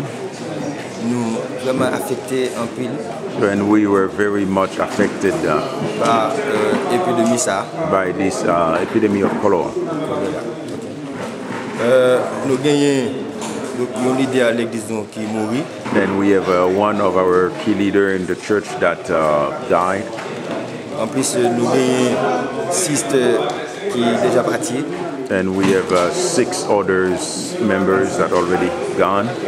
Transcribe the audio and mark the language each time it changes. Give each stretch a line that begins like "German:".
English: And we were very much affected by this epidemic of cholera. And we have one of our key leaders in the church that died.
French: En plus, nous avons six qui déjà parti.
English: And we have six others members that already gone.